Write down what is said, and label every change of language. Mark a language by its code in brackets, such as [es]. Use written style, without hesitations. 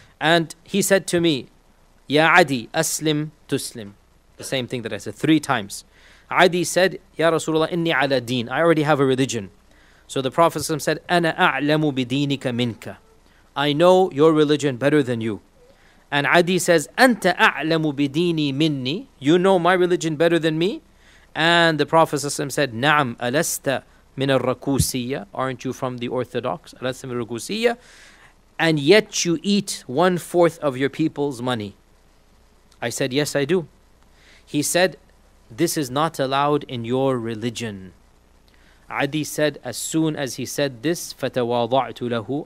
[en] And he said to me, [ar] Ya Adi, aslim tuslim. [en] The same thing that I said three times. Adi said, [ar] Ya Rasulullah, inni ala deen. [en] I already have a religion. So the Prophet said, [ar] Ana a'lamu bidinika minka. [en] I know your religion better than you. And Adi says, [ar] أَنْتَ أَعْلَمُ بِدِينِي مِنِّي. [en] You know my religion better than me. And the Prophet ﷺ said, [ar] نَعْمْ أَلَسْتَ مِنَ الرَّكُوسِيَّ. [en] Aren't you from the Orthodox? [ar] أَلَسْتَ مِنَ الرَّكُوسِيَّ. [en] And yet you eat 1/4 of your people's money. I said, yes, I do. He said, this is not allowed in your religion. Adi said, as soon as he said this, [ar] فَتَوَاضَعْتُ لَهُ.